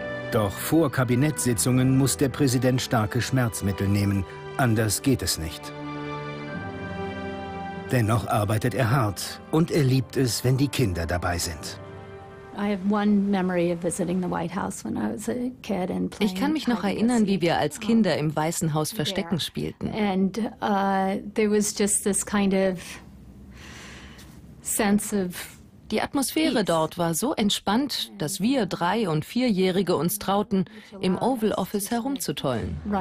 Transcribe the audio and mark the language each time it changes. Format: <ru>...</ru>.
<de>Doch vor Kabinettssitzungen muss der Präsident starke Schmerzmittel nehmen, anders geht es nicht. Dennoch arbeitet er hart und er liebt es, wenn die Kinder dabei sind. Ich kann mich noch erinnern, wie wir als Kinder im Weißen Haus Verstecken spielten.</de> <en>And there was just this kind of sense of.</en> <de>Die Atmosphäre dort war so entspannt, dass wir 3- und 4-Jährige uns trauten, im Oval Office herumzutollen.</de>